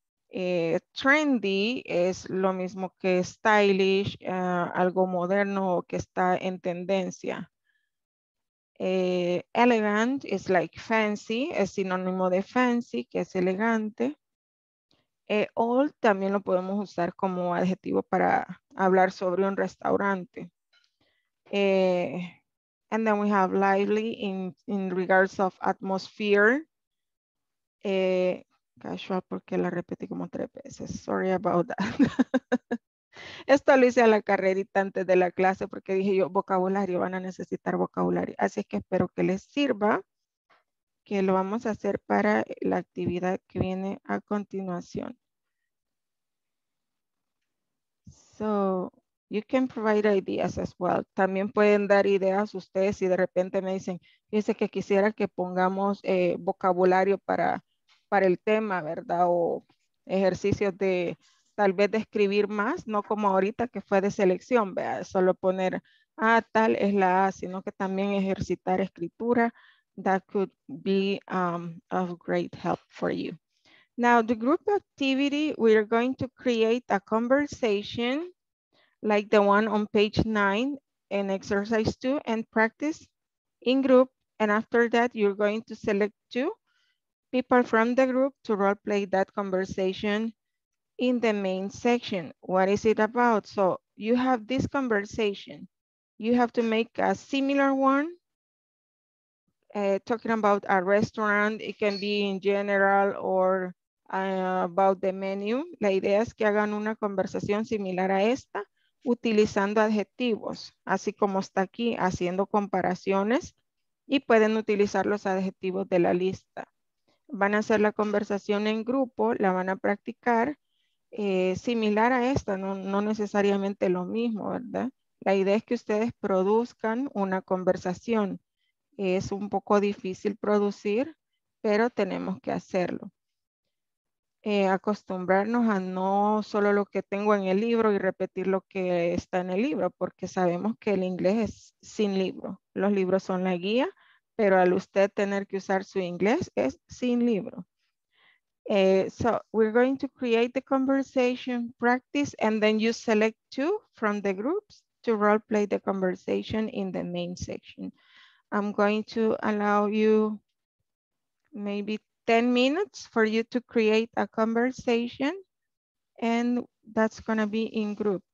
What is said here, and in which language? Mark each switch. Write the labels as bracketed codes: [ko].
[es] Trendy es lo mismo que stylish, algo moderno que está en tendencia. [en] Elegant is like fancy, [es] es sinónimo de fancy, que es elegante. Old también lo podemos usar como adjetivo para hablar sobre un restaurante. [en] And then we have lively in regards of atmosphere. [es] Casual, porque la repetí como 3 veces. [en] Sorry about that. [es] Esto lo hice a la carrerita antes de la clase porque dije yo, vocabulario, van a necesitar vocabulario. Así es que espero que les sirva, que lo vamos a hacer para la actividad que viene a continuación. [en] So, you can provide ideas as well. [es] También pueden dar ideas ustedes si de repente me dicen, fíjense que quisiera que pongamos vocabulario para el tema, ¿verdad? O ejercicios de tal vez de escribir más, no como ahorita que fue de selección, vea, solo poner tal es la A, sino que también ejercitar escritura. [en] That could be of great help for you. Now, the group activity, we are going to create a conversation like the one on page 9 in exercise 2 and practice in group. And after that, you're going to select 2 people from the group to role play that conversation in the main section. What is it about? So you have this conversation. You have to make a similar one talking about a restaurant. It can be in general or about the menu. [es] La idea es que hagan una conversación similar a esta, utilizando adjetivos, así como está aquí, haciendo comparaciones, y pueden utilizar los adjetivos de la lista. Van a hacer la conversación en grupo, la van a practicar similar a esta, no necesariamente lo mismo, ¿verdad? La idea es que ustedes produzcan una conversación. Es un poco difícil producir, pero tenemos que hacerlo. Acostumbrarnos a no solo lo que tengo en el libro y repetir lo que está en el libro, porque sabemos que el inglés es sin libro. Los libros son la guía, pero al usted tener que usar su inglés es sin libro. [en] So we're going to create the conversation, practice, and then you select two from the groups to role play the conversation in the main section. I'm going to allow you maybe 10 minutes for you to create a conversation, and that's going to be in group.